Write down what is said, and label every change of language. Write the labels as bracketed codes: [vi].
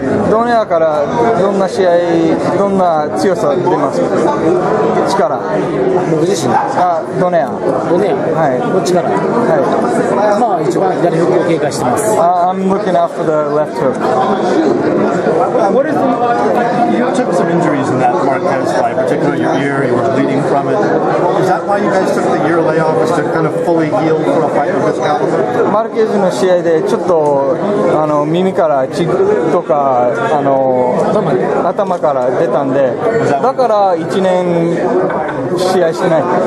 [ja] ドネアからどんな試合、どんな強さ出ますか。力。僕自身。あ、ドネア。ドネア。はい。の力。はい。まあ一番左フックを警戒してます。 [en] I'm looking out for the left hook. What is you took some injuries in that Marquez fight, particularly your ear, you were bleeding from it. Is that why you guys took the year layoff, was to kind of fully heal for a fight with this caliber? [ja] Marquez の試合でちょっと耳から血とか頭から出たんで、だから1年試合してない。